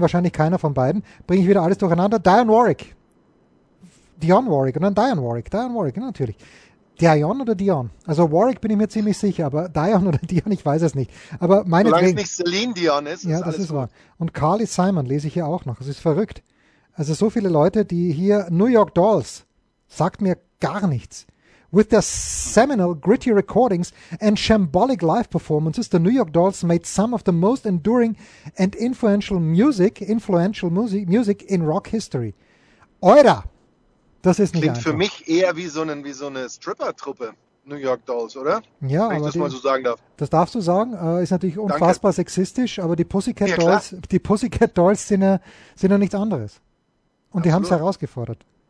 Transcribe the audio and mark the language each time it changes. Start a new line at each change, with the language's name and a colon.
German: Wahrscheinlich keiner von beiden. Bringe ich wieder alles durcheinander. Dionne Warwick, ja, natürlich. Dionne oder Dionne? Also Warwick bin ich mir ziemlich sicher, aber Dionne oder Dionne, ich weiß es nicht. Aber solange es nicht Celine Dion ist. Ja, das ist wahr. Und Carly Simon lese ich hier auch noch. Das ist verrückt. Also so viele Leute, die hier New York Dolls, sagt mir gar nichts.
English: With their seminal, gritty recordings and shambolic live performances, the New York Dolls made some of the most enduring and influential music in rock history.
German: Oida! Das ist nicht klingt einfach. Für mich eher wie so eine Stripper-Truppe, New York Dolls, oder? Ja, wenn aber ich das mal so sagen darf. Das darfst du sagen. Ist natürlich unfassbar Danke. Sexistisch, aber die Pussycat Dolls, ja, die Pussycat Dolls sind ja nichts anderes. Und absolut. Die haben es herausgefordert.